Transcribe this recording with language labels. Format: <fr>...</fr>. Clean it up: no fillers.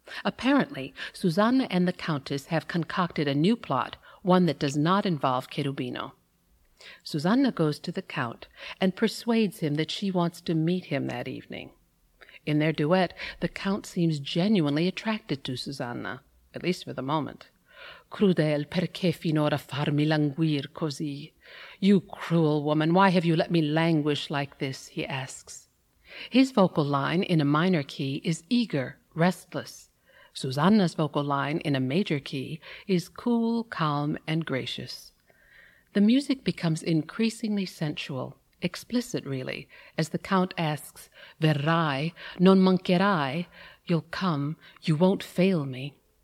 <en>Apparently, Susanna and the Countess have concocted a new plot, one that does not involve Cherubino. Susanna goes to the Count and persuades him that she wants to meet him that evening. In their duet, the Count seems genuinely attracted to Susanna, at least for the moment.</en> <it>Crudel, perché finora farmi languir così?</it> <en>You cruel woman, why have you let me languish like this? He asks. His vocal line, in a minor key, is eager, restless. Susanna's vocal line, in a major key, is cool, calm, and gracious. The music becomes increasingly sensual, explicit really, as the Count asks,</en> <it>Verrai, non mancherai,</it> <en>you'll come, you won't fail me.</en>